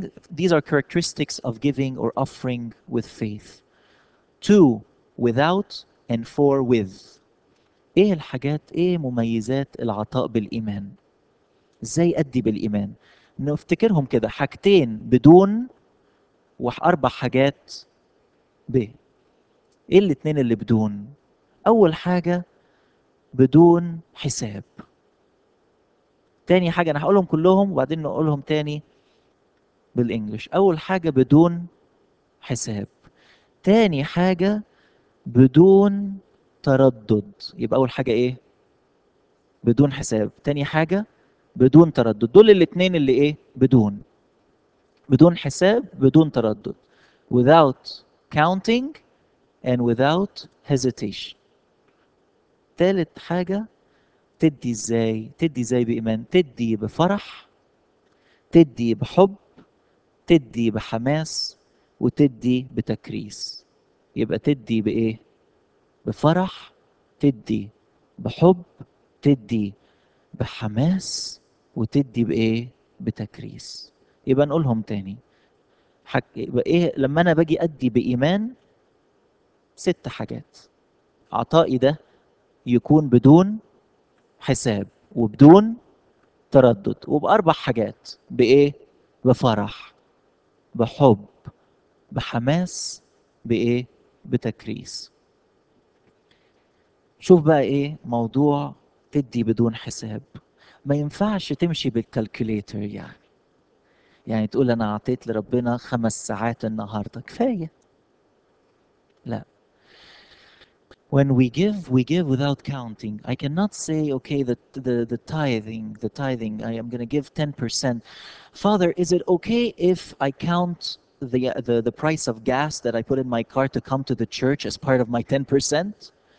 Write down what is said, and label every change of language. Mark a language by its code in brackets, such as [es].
[en] These are characteristics of giving or offering with faith. Two, without, and four, with. [ar] ايه الحاجات ايه مميزات العطاء بالإيمان؟ ازاي أدي بالإيمان؟ نفتكرهم كده حاجتين بدون وأربع حاجات ب. ايه الاثنين اللي بدون؟ أول حاجة بدون حساب. تاني حاجة أنا هقولهم كلهم وبعدين نقولهم تاني بالإنجليش. أول حاجة بدون حساب. تاني حاجة بدون تردد. يبقى أول حاجة إيه؟ بدون حساب. تاني حاجة بدون تردد. دول الاثنين اللي إيه؟ بدون. بدون حساب، بدون تردد. [en] Without counting and without hesitation. [ar] تالت حاجة تدي إزاي؟ تدي إزاي بإيمان؟ تدي بفرح، تدي بحب، تدي بحماس، وتدي بتكريس. يبقى تدي بإيه؟ بفرح، تدي بحب، تدي بحماس، وتدي بإيه؟ بتكريس. يبقى نقولهم تاني. يبقى إيه؟ لما أنا باجي أدي بإيمان، ست حاجات. عطائي ده يكون بدون حساب وبدون تردد وبأربع حاجات. بإيه؟ بفرح، بحب، بحماس، بإيه؟ بتكريس. شوف بقى إيه موضوع تدي بدون حساب. ما ينفعش تمشي بالكالكوليتر يعني تقول أنا عطيت لربنا 5 ساعات النهاردة كفاية. لا. [en] When we give without counting. I cannot say, okay, the tithing, I am going to give 10%. Father, is it okay if I count the price of gas that I put in my car to come to the church as part of my 10%?